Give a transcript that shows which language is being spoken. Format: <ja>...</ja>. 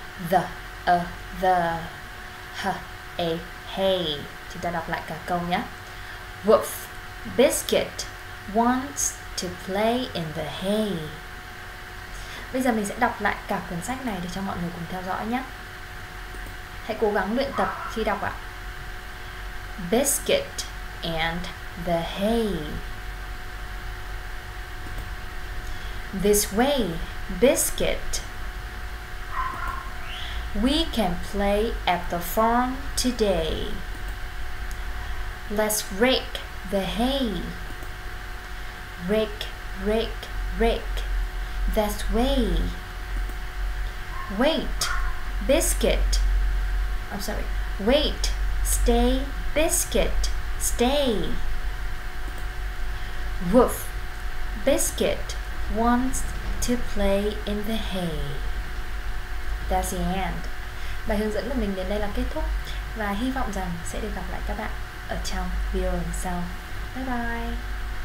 <vi>The the ha a hey. Chúng ta đọc lại cả câu nhé. Woof.</vi> <en>Biscuit wants to play in the hay.</en> <vi>Bây giờ mình sẽ đọc lại cả cuốn sách này để cho mọi người cùng theo dõi nhé. Hãy cố gắng luyện tập khi đọc ạ.</vi> <en>Biscuit and the hay. This way, Biscuit. We can play at the farm today. Let's rake the hay. Rake, rake, rake. That's way. Wait, biscuit. I'm sorry. Wait, stay, biscuit, stay. Woof, biscuit wants to play in the hay. That's the end.</en> <vi>Bài hướng dẫn của mình đến đây là kết thúc và hy vọng rằng sẽ được gặp lại các bạn ở trong video lần sau. Bye bye.</vi>